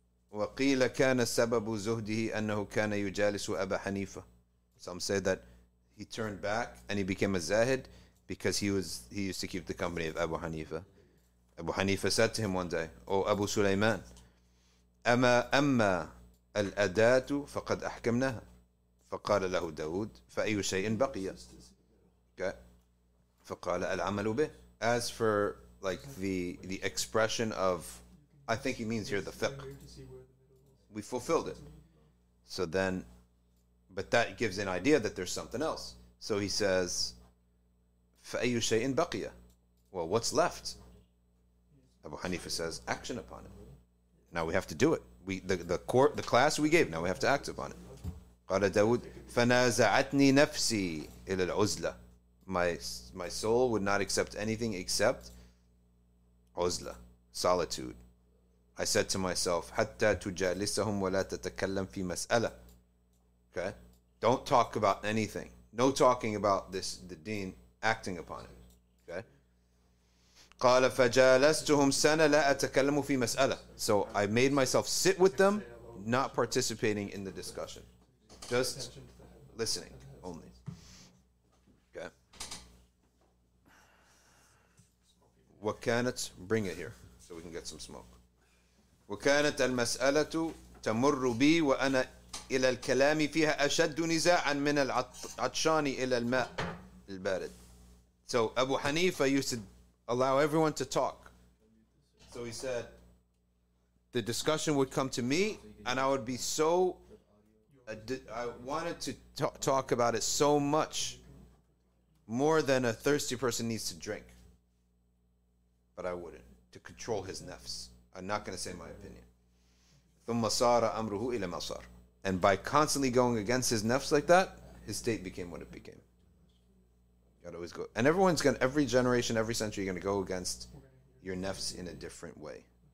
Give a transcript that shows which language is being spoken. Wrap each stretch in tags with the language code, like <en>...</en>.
<ar>وقيل كان سبب زهده أنه كان يجالس أبا حنيفة.</ar> <en>Some say that he turned back and he became a Zahid because he used to keep the company of Abu Hanifa. Abu Hanifa said to him one day, "Oh Abu Sulaiman, amma al-adatu faqad ahkamnaha."</en> <ar>فقال له داود فأي شيء بقي؟ Okay. فقال العمل به.</ar> <en>As for like the expression of, I think he means here the fiqh. We fulfilled it. So then, but that gives an idea that there's something else. So he says, فأي شيء بقي؟ Well, what's left? Abu Hanifa says, action upon it. Now we have to do it. We the court, the class we gave, now we have to act upon it.</en> <ar>قال داود فنازعتني نفسي إلى العزلة.</ar> <en>My soul would not accept anything except عزلة, solitude.</en> <ar>I said to myself, حتى تجالسهم ولا تتكلم في مسألة.</ar> <en>Okay, don't talk about anything. No talking about this, the deen, acting upon it. Okay.</en> <ar>قال فجالستهم سنة لا أتكلم في مسألة.</ar> <en>So I made myself sit with them, not participating in the discussion. Just listening only. Okay. What can it bring it here so we can get some smoke?</en> <ar>وكانت المسألة تمر بي وأنا إلى الكلام فيها أشد نزاعا من العطشان إلى الماء البارد.</ar> <en>So Abu Hanifa used to allow everyone to talk. So he said, the discussion would come to me and I would be so, I wanted to talk about it so much, more than a thirsty person needs to drink. But I wouldn't, to control his nafs. I'm not going to say my opinion.</en> <ar>ثم صار أمره إلى ما صار.</ar> <en>And by constantly going against his nafs like that, his state became what it became. You gotta always go. And everyone's going to, every generation, every century, you're going to go against your nafs in a different way.</en>